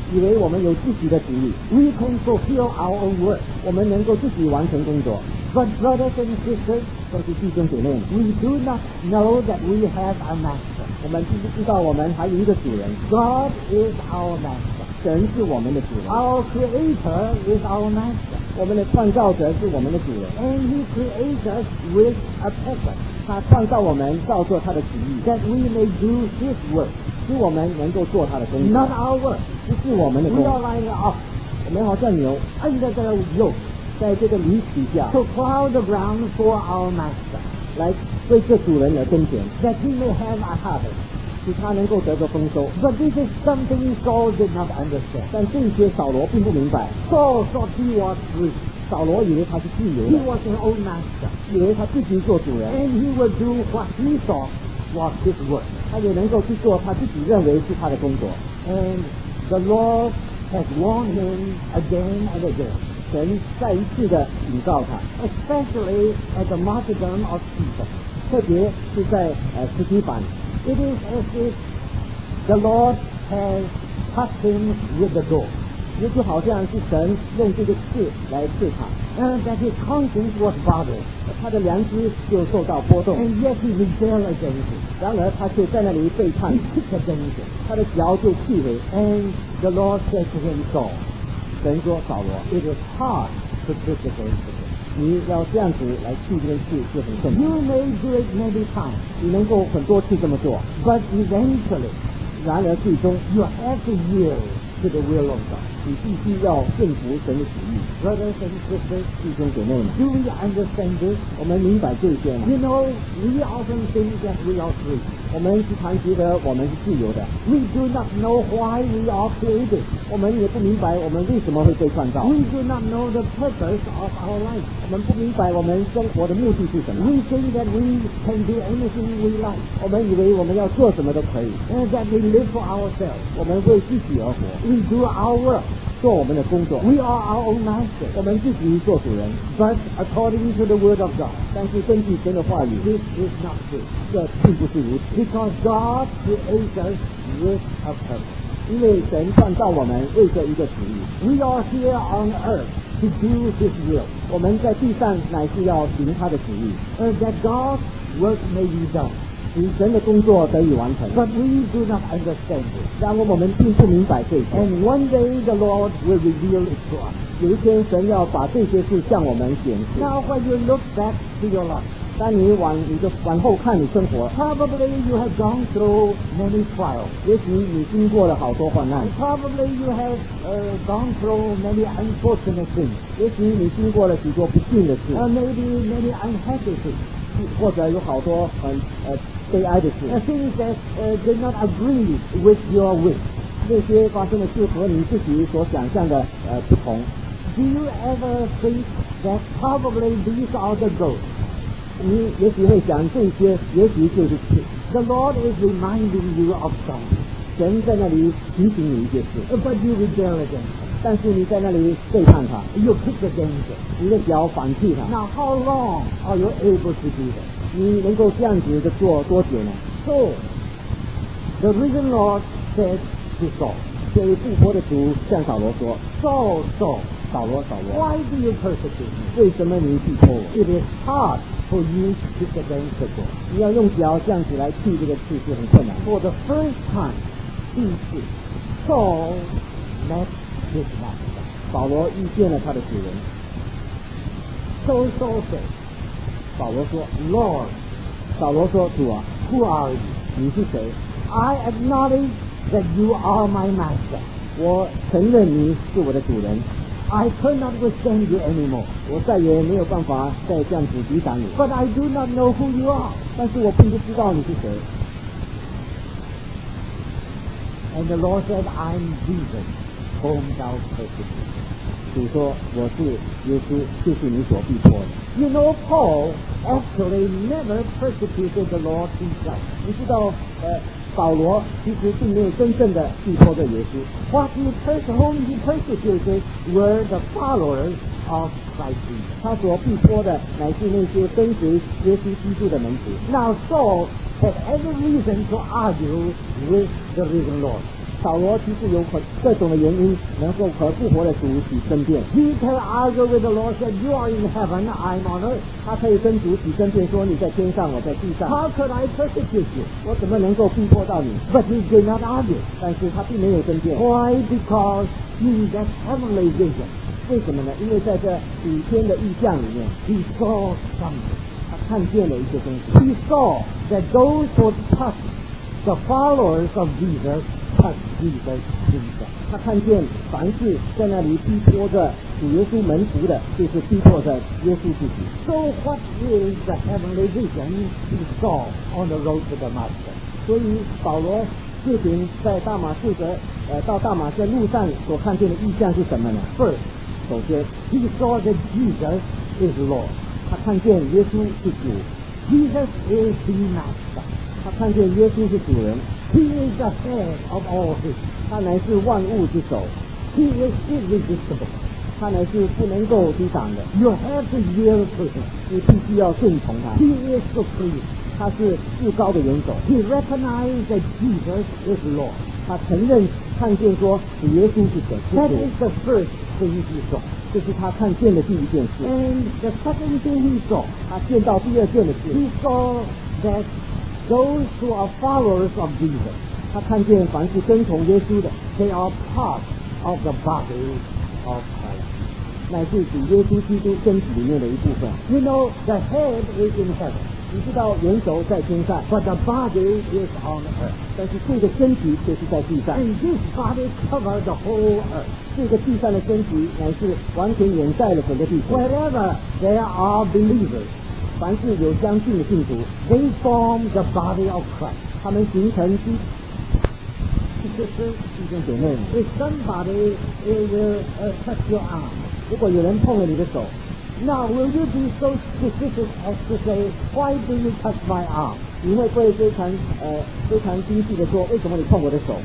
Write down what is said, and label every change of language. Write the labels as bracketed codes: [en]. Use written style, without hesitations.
[zh] 以为我们有自己的旨意。 [en] We can fulfill our own work. [zh] 我们能够自己完成工作。 [en] But brothers and sisters, [zh] 但是弟兄姐妹们 [en] ，We do not know that we have a master. [zh] 我们并不知道我们还有一个主人。 [en] God is our master. [zh] 神是我们的主人。 [en] Our creator is our master. [zh] 我们的创造者是我们的主人。 [en] And He creates us with a purpose. [zh] 他创造我们照做他的旨意 [en] That we may do his work [zh] 使我们能够做他的工作 [en] Not our work [zh] 不是我们的工 [en] 作 We are like an ox [zh] 我们好像牛 [en] Under the yoke [zh] 在这个犁底下 [en] To plow the ground for our master [zh] 来为这主人而耕田 [en] that he may have a harvest [zh] 使他能够得个丰收 [en] But this is something Saul did not understand [zh] 但这些扫罗并不明白 [en] Saul thought he was rich [zh] 扫罗以为他是自由 [en] 的 He was an old master [zh] 以为他自己做主人 [en] And he would do what he thought was his work [zh] 他也能够去做他自己认为是他的工作 [en] And the Lord has warned him again and again [zh] 神再一次的警告他 [en] Especially at the martyrdom of Stephen [zh] 特别是在斯提凡 [en] It is as if the Lord has touched him with the door. [zh] 也就好像是神用这个刺来刺他。 [en] And that his conscience was bothered. [zh] 他的良知就受到波动。 [en] And yet he rebelled against it. [zh] 然而他却在那里背叛。 [en] He took against it. [zh] 他的脚就气馁。 [en] And the Lord said to him, Saul. [zh] 神说扫罗。 [en] It is hard to kick against it. [zh] 你要这样子来去这件事就很困难 [en] You may do it many times [zh] 你能够很多次这么做 [en] But eventually [zh] 然而最终 [en] You have to yield to the will of God [zh] 你必须要顺服神的旨意 [en] Brothers and sisters [zh] 弟兄姐妹们 [en] Do we understand this? [zh] 我们明白这些吗 [en] You know we often think that we are free [zh] 我们时常觉得我们是自由的 [en] We do not know why we are created [zh] 我们也不明白我们为什么会被创造 [en] We do not know the purpose of our life [zh] 我们不明白我们生活的目的是什么 [en] We think that we can do anything we like [zh] 我们以为我们要做什么都可以 [en] And that we live for ourselves [zh] 我们为自己而活 [en] We do our work [zh] 做我们的工作 [en] We are our own master [zh] 我们自己做主人 [en] But according to the word of God [zh] 但是根据神的话语 [en] This is not true [zh] 这并不是如此 [en] Because God creates us with a purpose. [zh] 因为神创造我们为着一个旨意。 [en] We are here on earth to do His will. [zh] 我们在地上乃是要行他的旨意。 [en] And that God's work may be done. [zh] 使神的工作得以完成。 [en] But we do not understand it. [zh] 然而我们并不明白这些。 [en] And one day the Lord will reveal it to us. [zh] 有一天神要把这些事向我们显示。 [en] Now when you look back to your life. [zh] 当你往你的往后看你生活 [en] Probably you have gone through many trials [zh] 也许你经过了好多患难 [en] Probably you have gone through many unfortunate things [zh] 也许你经过了许多不幸的事 [en] Maybe many unhappy things [zh] 或者有好多很悲哀的事 [en] Things that did not agree with your wish [zh] 那些发生的事和你自己所想象的不同 [en] Do you ever think that probably these are the goals? [zh] 你也许会想这些也许就是事 [en] The Lord is reminding you of something [zh] 神在那里提醒你一些事 [en] But you rebel against [zh] 但是你在那里背叛他 [en] You kick against [zh] 你的脚反击他 [en] Now how long are you able to do that [zh] 你能够这样子的做多久呢 [en] So The risen Lord said to Saul [zh] 这位复活的主向扫罗说 [en] Saul, Saul [zh] 扫罗扫罗 [en] Why do you persecute me [zh] 为什么你逼迫我 [en] It is hard for you to kick against the door [zh] 你要用脚这样子来踢这个刺是很困难 [en] For the first time [zh] 第一次 [en] Saul met his master [zh] 扫罗遇见了他的主人 [en] So Saul said [zh] 扫罗说 [en] Lord [zh] 扫罗说主啊 [en] Who are you [zh] 你是谁 [en] I acknowledge that you are my master [zh] 我承认你是我的主人 [en] I cannot withstand you anymore. [zh] 我再也没有办法再这样子抵挡你。 [en] But I do not know who you are. [zh] 但是我并不知道你是谁。 [en] And the Lord said, I'm Jesus, whom thou persecutest. [zh] 主说，我是耶稣，就是你所逼迫的。 [en] You know, Paul actually never persecuted the Lord himself. [zh] 你知道，保罗其实并没有真正的逼迫着耶稣。 [en] What he personally persecuted were the followers of Christ Jesus. [zh] 他所逼迫的乃是那些跟随耶稣基督的门徒。 [en] Now Saul had every reason to argue with the risen Lord. [zh] 扫罗其实有各种的原因能够和复活的主起争辩 [en] He can argue with the Lord said You are in heaven, I'm on earth [zh] 他可以跟主起争辩说你在天上我在地上 [en] How could I persecute you? [zh] 我怎么能够逼迫到你 [en] But he did not argue [zh] 但是他并没有争辩 [en] Why? Because in that heavenly vision [zh] 为什么呢因为在这五天的意象里面 [en] He saw something [zh] 他看见了一些东西 [en] He saw that those who touched the followers of Jesus [zh] 看自己的心脏，他看见凡是在那里逼迫着主耶稣门徒的，就是逼迫着耶稣自己。 [en] So what is the heavenly vision he saw on the road to Damascus? [zh] 所以保罗自行在大马士革到大马士路上所看见的意象是什么呢？ [en] First, [zh] 首先 [en] he saw that Jesus is Lord. [zh] 他看见耶稣是主。 [en] Jesus is the master. [zh] 他看见耶稣是主人。 [en] He is the head of all things. [zh] 他乃是万物之首。 [en] He is irresistible. [zh] 他乃是不能够抵挡的。 [en] You have to yield to him. [zh] 你必须要顺从他。 [en] He is supreme. [zh] 他是至高的元首。 [en] He recognized that Jesus is Lord. [zh] 他承认看见说主耶稣是神。 [en] That is the first thing he saw. [zh] 这是他看见的第一件事。 [en] And the second thing he saw. [zh] 他见到第二件的事。 [en] He saw thatThose who are followers of Jesus, [zh] 他看见凡是跟从耶稣的 [en] they are part of the body of Christ, [zh] 乃是主耶稣基督身体里面的一部分。 [en] You know, the head is in heaven, [zh] 你知道元首在天上， [en] but the body is on earth, [zh] 但是这个身体却是在地上。 [en] And this body covers the whole earth, [zh] 这个地上的身体乃是完全掩盖了整个地 [en] 球。Wherever there are believers, [zh] 凡是有相信的信徒 [en] they form the body of Christ [zh] 他们形成基督徒。弟兄姐妹 [en] if somebody will touch your arm [zh] 如果有人碰了你的手 [en] now will you be so specific as to say why do you touch my arm [zh] 你会不会非常精细的说为什么你碰我的手？